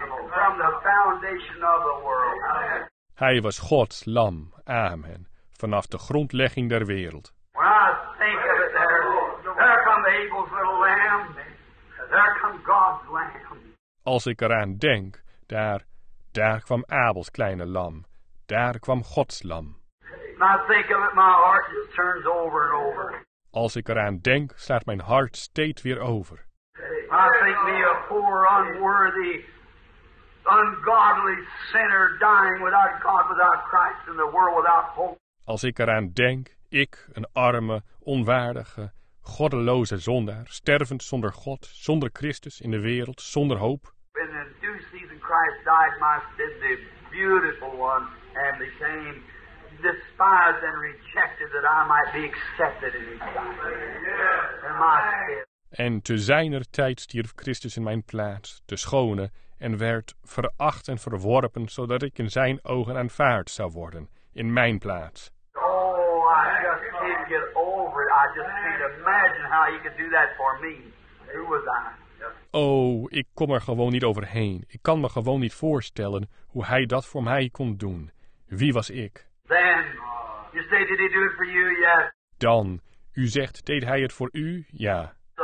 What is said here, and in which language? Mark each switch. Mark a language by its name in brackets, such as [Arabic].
[English] From the foundation of the world. [Dutch] Hij was Gods lam, amen, vanaf de grondlegging der wereld. [English] When I think of it there, there come Abel's little lamb. Lamb, there comes God's Lamb. [Dutch] Als ik eraan denk, daar kwam Abel's kleine lam, daar kwam Gods lam. [English] I think of it, my heart just turns over and over. [Dutch] Als ik eraan denk, slaat mijn hart steeds weer over. [English] I think me a poor, unworthy, ungodly sinner dying without God, without Christ in the world, without hope. [Dutch] Als ik eraan denk, ik, een arme, onwaardige, goddeloze zondaar, stervend zonder God, zonder Christus in de wereld, zonder hoop. [English] In the due season Christ died, my sin, the beautiful one, and became despised and rejected that I might be accepted in his sight. And my sin. [Dutch] En te zijner tijd stierf Christus in mijn plaats, de schone, en werd veracht en verworpen, zodat ik in zijn ogen aanvaard zou worden, in mijn plaats. [English] Oh, I just can't get over it. I just can't imagine how he could do that for me. Who was I? [Dutch] Oh, ik kom er gewoon niet overheen. Ik kan me gewoon niet voorstellen hoe hij dat voor mij kon doen. Wie was ik? [English] Then, you say, did he do it for you? Yes. [Dutch] Dan, u zegt, deed hij het voor u? Ja.